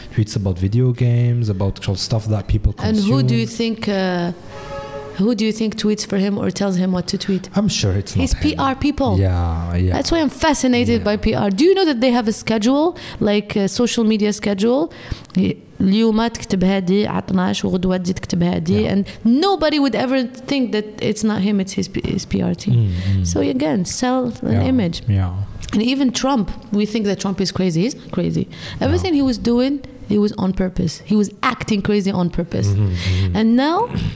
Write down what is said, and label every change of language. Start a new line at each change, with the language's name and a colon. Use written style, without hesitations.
English: Tweets about video games, about stuff that people consume. And who do you think? Who do you think tweets for him or tells him what to tweet? I'm sure it's not his PR him. People. Yeah. That's why I'm fascinated by PR. Do you know that they have a schedule, like a social media schedule?
Arabic: اليوم تكتب هادي على 12 وغدوة تزيد تكتب هادي.
English: And nobody would ever think that it's not him, it's his PR team. So again, sell an image. Yeah. And even Trump, we think that Trump is crazy. He's not crazy. Everything he was doing, he was on purpose. He was acting crazy on purpose. And now...